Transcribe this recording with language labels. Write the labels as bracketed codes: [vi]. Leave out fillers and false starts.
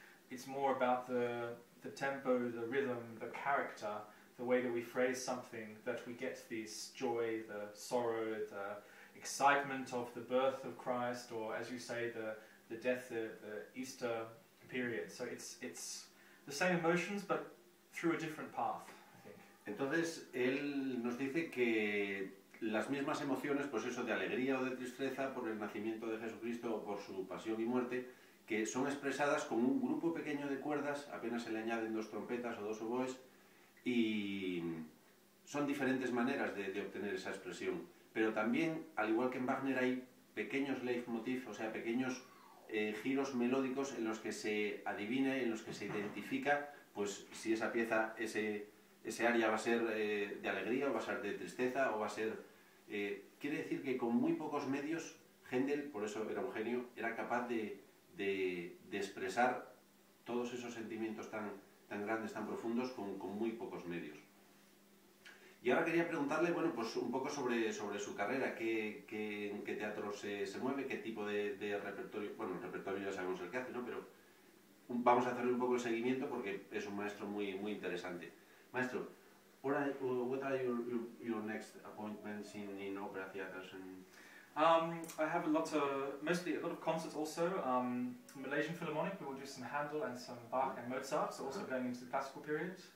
[en] it's more about the tempo, the rhythm, the character, the way that we phrase something, that we get this joy, the sorrow, the excitement of the birth of Christ, or as you say, the death, the Easter period. So it's the same emotions, but through a different path, I think. [es] Entonces, él nos dice que las mismas emociones, pues eso, de alegría o de tristeza por el nacimiento de Jesucristo o por su pasión y muerte, que son expresadas con un grupo pequeño de cuerdas, apenas se le añaden dos trompetas o dos oboes, y son diferentes maneras de obtener esa expresión. Pero también, al igual que en Wagner, hay pequeños leitmotiv, o sea, pequeños giros melódicos en los que se adivina, en los que se identifica, pues si esa pieza, ese aria va a ser de alegría, o va a ser de tristeza, o va a ser... quiere decir que con muy pocos medios, Händel, por eso era un genio, era capaz de expresar todos esos sentimientos tan, tan grandes, tan profundos, con muy pocos medios. Y ahora quería preguntarle, bueno, pues un poco sobre su carrera, qué teatro se mueve, qué tipo de repertorio, bueno, el repertorio ya sabemos el que hace, ¿no? Pero vamos a hacerle un poco el seguimiento porque es un maestro muy, muy interesante. [en] Maestro, what are your next appointments in opera theaters? I have mostly a lot of concerts also. Malaysian Philharmonic, we will do some Handel and some Bach and Mozart, so also going into the classical period.